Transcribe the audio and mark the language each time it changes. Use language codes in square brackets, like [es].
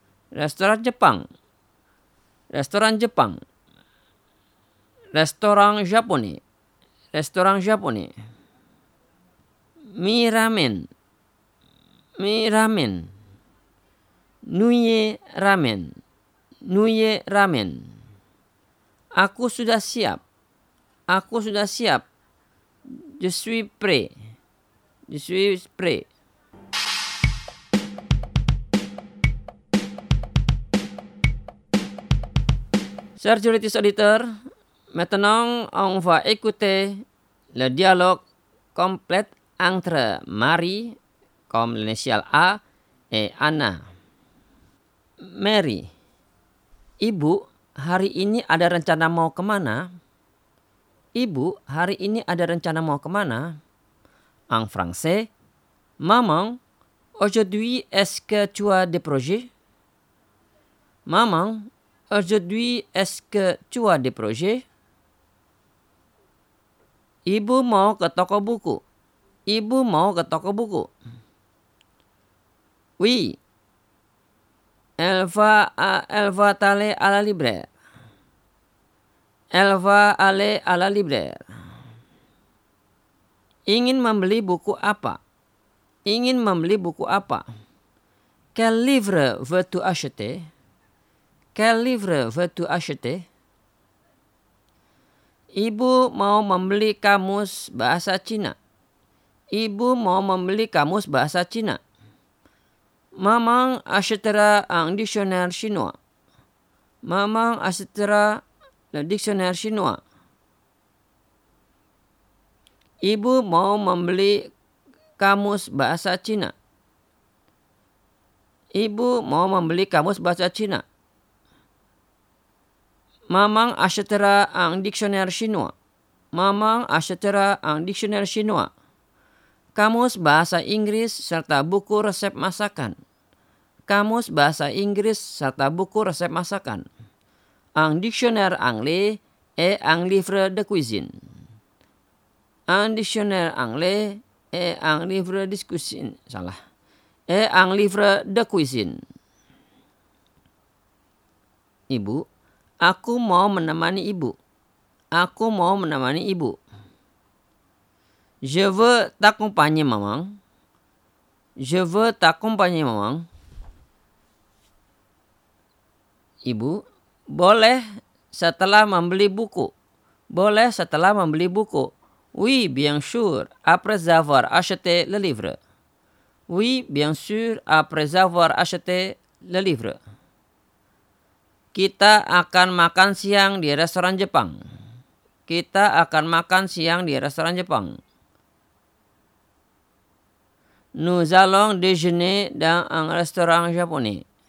[id] Restoran Jepang, restoran Jepang. [fr] Restoran Japonais, restoran Japonais. [id] Mie ramen, mie ramen. [fr] Nuye ramen, nuye ramen. [id] Aku sudah siap, aku sudah siap. [fr] Je suis prêt, je suis prêt. Sir Juridis Auditor, maintenant on va écouter le dialogue complet entre Marie, comme l'initial A, et Anna. [id] Mary, ibu, hari ini ada rencana mau kemana? Ibu, hari ini ada rencana mau kemana? [fr] En français, maman, aujourd'hui est-ce que tu as des projets? Maman, aujourd'hui est-ce que tu as des projets? [id] Ibu mau ke toko buku. Ibu mau ke toko buku. [fr] Oui. Elle va aller à la libraire. Elle va aller à la libraire. [id] Ingin membeli buku apa? Ingin membeli buku apa? [fr] Quel livre veux-tu acheter? Quel livre veux-tu acheter? [id] Ibu mau membeli kamus bahasa Cina. Ibu mau membeli kamus bahasa Cina. [fr] Maman achètera un dictionnaire chinois. Maman achètera le dictionnaire chinois. [id] Ibu mau membeli kamus bahasa Cina. Ibu mau membeli kamus bahasa Cina. [fr] Maman achètera un dictionnaire chinois. Maman achètera un dictionnaire chinois. [id] Kamus bahasa Inggris serta buku resep masakan. Kamus bahasa Inggris serta buku resep masakan. [fr] Un dictionnaire anglais et un livre de cuisine. Un dictionnaire anglais et un livre de cuisine. Salah. Et un livre de cuisine. [id] Ibu, aku mau menemani ibu. Aku mau menemani ibu. [fr] Je veux t'accompagner, maman. Je veux t'accompagner, maman. [id] Ibu, boleh setelah membeli buku. Boleh setelah membeli buku. [fr] Oui, bien sûr, après avoir acheté le livre. Oui, bien sûr, après avoir acheté le livre. [id] Kita akan makan siang di restoran Jepang. Kita akan makan siang di restoran Jepang. [fr] Nous allons déjeuner dans un restaurant japonais.